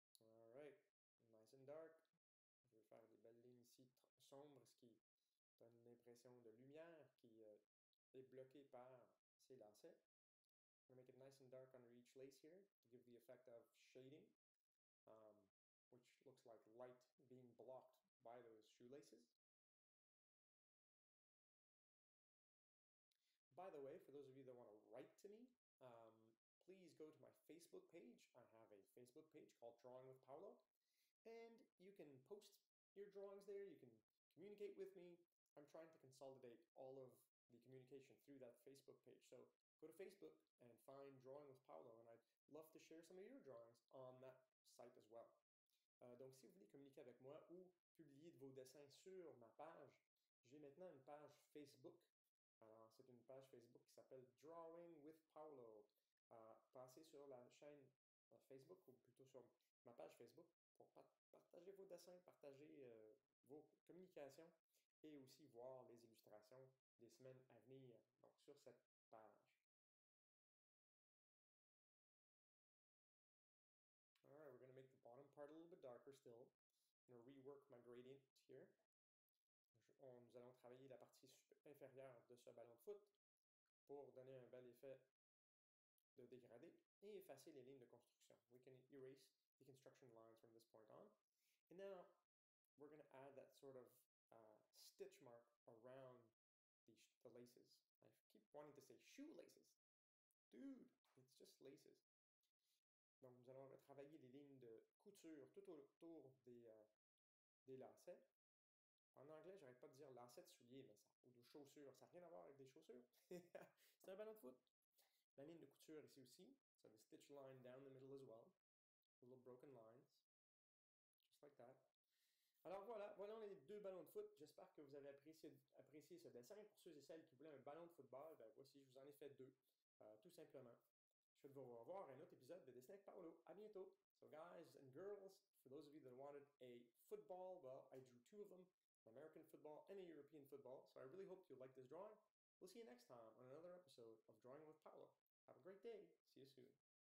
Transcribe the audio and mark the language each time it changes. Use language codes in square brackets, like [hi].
[en] Alright, nice and dark. [fr] Je vais faire des belles lignes ici sombres, ce qui donne l'impression de lumière qui est bloquée par ces lacets. [en] I'm gonna make it nice and dark under each lace here to give the effect of shading, which looks like light being blocked by those shoelaces. By the way, for those of you that want to write to me, please go to my Facebook page. I have a Facebook page called Drawing with Paolo, and you can post your drawings there. You can communicate with me. I'm trying to consolidate all of the communication through that Facebook page. So go to Facebook and find Drawing with Paolo, and I'd love to share some of your drawings on that site as well. [fr] Donc, si vous voulez communiquer avec moi ou publier de vos dessins sur ma page, j'ai maintenant une page Facebook. Alors, c'est une page Facebook qui s'appelle Drawing with Paolo. Passez sur la chaîne Facebook, ou plutôt sur ma page Facebook, pour partager vos dessins, partager vos communications, et aussi voir les illustrations des semaines à venir, donc sur cette page. [en] Alright, we're going to make the bottom part a little bit darker still. I'm going to rework my gradient here. [fr] Nous allons travailler la partie inférieure de ce ballon de foot pour donner un bel effet de dégradé et effacer les lignes de construction. [en] We can erase the construction lines from this point on. And now, we're going to add that sort of stitch mark around the laces. I keep wanting to say shoelaces. Dude, it's just laces. [fr] Donc, nous allons retravailler les lignes de couture tout autour des lacets. En anglais, j'arrête pas de dire lacets de souliers, mais ça, ou de chaussures. Ça n'a rien à voir avec des chaussures. C'est un ballon de foot. La ligne de couture ici aussi. [en] So, the stitch line down the middle as well. Little broken lines. Just like that. [fr] Alors voilà, voilà les deux ballons de foot. J'espère que vous avez apprécié ce dessin. Pour ceux et celles qui voulaient un ballon de football, ben voici, je vous en ai fait deux, tout simplement. Je vais vous revoir à un autre épisode de Dessin avec Paolo. À bientôt! [en] So guys and girls, for those of you that wanted a football, well, I drew two of them, an American football and a European football. So I really hope you like this drawing. We'll see you next time on another episode of Drawing with Paolo. Have a great day. See you soon.